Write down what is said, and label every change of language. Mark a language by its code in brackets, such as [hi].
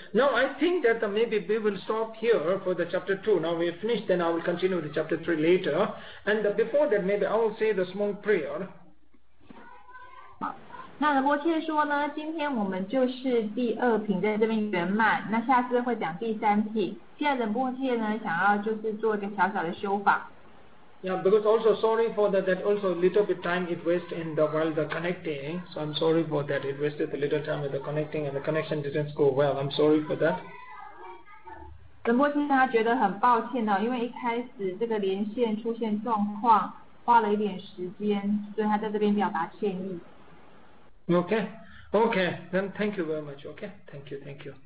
[en] Now I think that maybe we will stop here for the chapter 2. Now we have finished, then I will continue with the chapter 3 later. And before that, maybe I will say the small prayer. [zh] 那仁波切说呢，今天我们就是第二品在这边圆满，那下次会讲第三品。现在仁波切呢想要就是做一个小小的修法。 [en] Yeah, because also sorry for that also little bit time it waste in the while the connecting. So I'm sorry for that. It wasted a little time with the connecting and the connection didn't go well. I'm sorry for that. [zh] 仁波切他觉得很抱歉呢，因为一开始这个连线出现状况，花了一点时间，所以他在这边表达歉意。 [en] Okay, okay, then thank you very much. Okay, thank you, thank you.